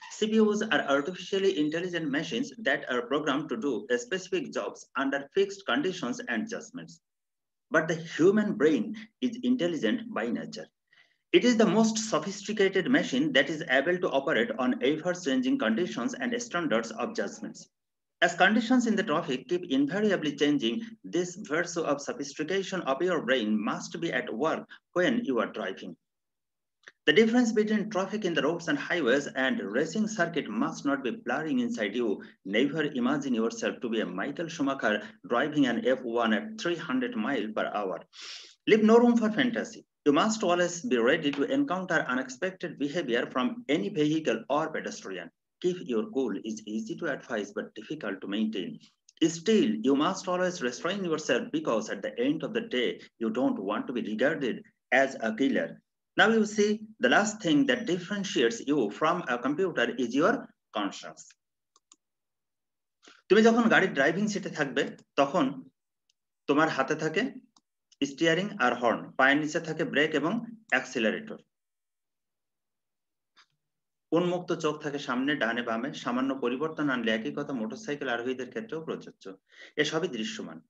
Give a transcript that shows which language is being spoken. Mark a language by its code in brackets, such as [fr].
[en] CPUs are artificially intelligent machines that are program to do specific jobs under fixed conditions and adjustments, but the human brain is intelligent by nature, it is the most sophisticated machine that is able to operate on ever changing conditions and standards of judgments. As conditions in the traffic keep invariably changing, this virtue of sophistication of your brain must be at work when you are driving. The difference between traffic in the roads and highways and racing circuit must not be blurring inside you. Never imagine yourself to be a Michael Schumacher driving an F1 at 300 miles per hour. Leave no room for fantasy. You must always be ready to encounter unexpected behavior from any vehicle or pedestrian. Keep your cool is easy to advise but difficult to maintain. Still, you must always restrain yourself because at the end of the day, you don't want to be regarded as a killer. Now you see, the last thing that differentiates you from a computer is your conscience. [bn] তুমি যখন গাড়ির driving সিটে থাকবে তখন তোমার হাতে থাকে steering আর horn, পায়ের নিচে থাকে ব্রেক এবং অ্যাক্সিলারেটর, উন্মুক্ত চোখ থাকে সামনে ডানে বামে, সামান্য পরিবর্তন আনলে একই কথা মোটরসাইকেল আরোহীদের ক্ষেত্রেও প্রযোজ্য, এসবই দৃশ্যমান।